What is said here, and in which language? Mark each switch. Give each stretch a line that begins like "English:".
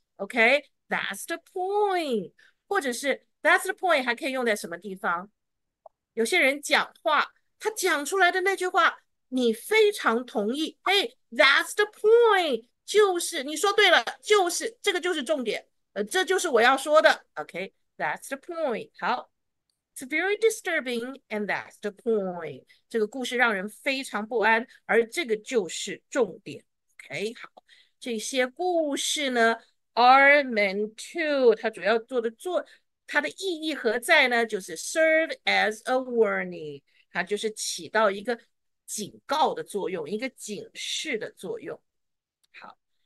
English: OK，That's the point，
Chinese: 或者是
English: "That's the point"
Chinese: 还可以用在什么地方？有些人讲话，他讲出来的那句话，你非常同意。
English: Hey，That's the point。
Chinese: 就是你说对了，就是这个就是重点，这就是我要说的。
English: OK，that's the point。好，it's very disturbing and that's the point。
Chinese: 这个故事让人非常不安，而这个就是重点。 OK，好，这些故事呢，
English: are meant to，
Chinese: 它主要做的做，它的意义何在呢？就是
English: serve as a warning，
Chinese: 它就是起到一个警告的作用，一个警示的作用。好。